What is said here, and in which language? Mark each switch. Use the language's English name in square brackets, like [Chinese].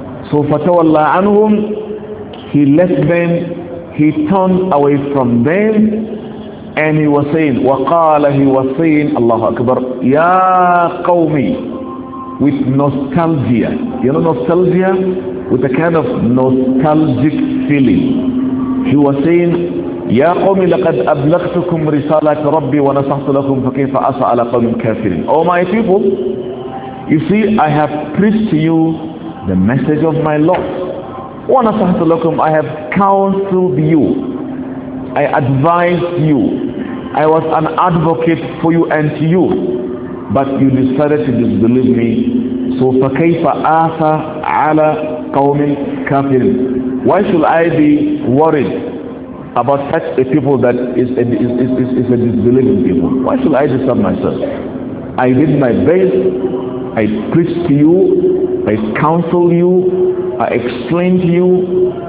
[English] So [Arabic] fatawalla anhum, [English] he left them, he turned away from them, And he was saying, [Arabic] وَقَالَ [English] he was saying, Allah Akbar, [Arabic] يَا قَوْمِ [English] with nostalgia. You know nostalgia? With a kind of nostalgic feeling. He was saying, [Arabic] يَا قَوْمِ لَقَدْ أَبْلَغْتُكُمْ رِسَالَةِ رَبِّي وَنَصَحْتُ لَكُمْ فَكَيْفَ أَسَى عَلَى قَوْمٍ كَافِرٍ. [English] Oh my people, you see, I have preached to you the message of my Lord. [Arabic] وَنَصَحْتُ لَكُمْ, [English] I have counseled you. I advised you. I was an advocate for you and to you. But you decided to disbelieve me. So [Arabic] فَكَيْفَ أَسَى عَلَى قَوْمٍ كَافِرٍ. [English] Why should I be worried about such a people that is a disbelieving people? Why should I disturb myself? I did my best. I preached to you. I counseled you. I explained to you.